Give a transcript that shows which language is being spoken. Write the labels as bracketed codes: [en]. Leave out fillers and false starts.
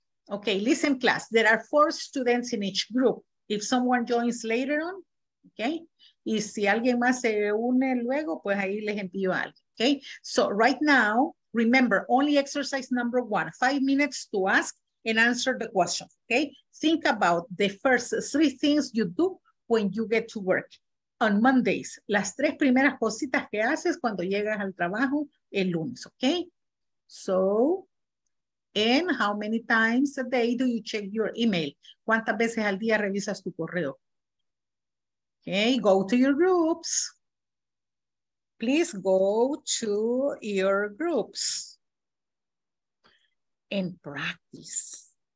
[en] Okay, listen class, there are four students in each group. If someone joins later on, okay? [es] Y si alguien más se une luego, pues ahí les envío a alguien, okay? [en] So right now, remember, only exercise number one, 5 minutes to ask and answer the question, okay? Think about the first three things you do when you get to work on Mondays. [es] Las tres primeras cositas que haces cuando llegas al trabajo el lunes, okay? [en] So... And how many times a day do you check your email? [es] ¿Cuántas veces al día revisas tu correo? [en] Okay, go to your groups. Please go to your groups and practice.